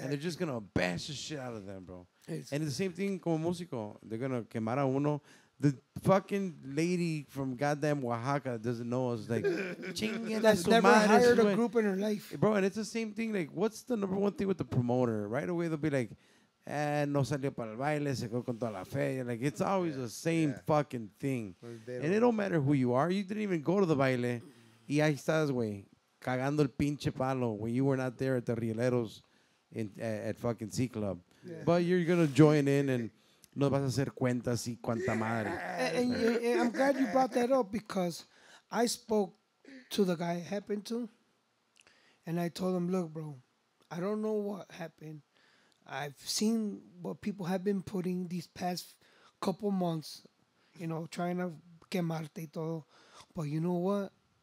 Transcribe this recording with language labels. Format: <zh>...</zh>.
<en>And they're just going to bash the shit out of them, bro. Exactly. And the same thing</en> <es>como músico.</es> <en>They're going to</en> <es>quemar a uno.</es> <en>The fucking lady from goddamn Oaxaca doesn't know us. Like, that's never hired a group in her life. Bro, and it's the same thing. Like, what's the number one thing with the promoter? Right away, they'll be like,</en> <es>eh, no salió para el baile, se quedó con toda la fe.</es> <en>Like, it's always the same fucking thing. And it don't matter who you are. You didn't even go to the baile.</en> <es>Y ahí estás, güey, cagando el pinche palo</es> <en>when you were not there at the Rieleros at fucking C Club. Yeah. But you're going to join in and...</en> <es>No vas a hacer cuentas y cuanta madre.</es> <en>And I'm glad you brought that up, because I spoke to the guy it happened to, and I told him, look, bro, I don't know what happened. I've seen what people have been putting these past couple months, you know, trying to</en> <es>quemarte y todo.</es> <en>But you know what?</en>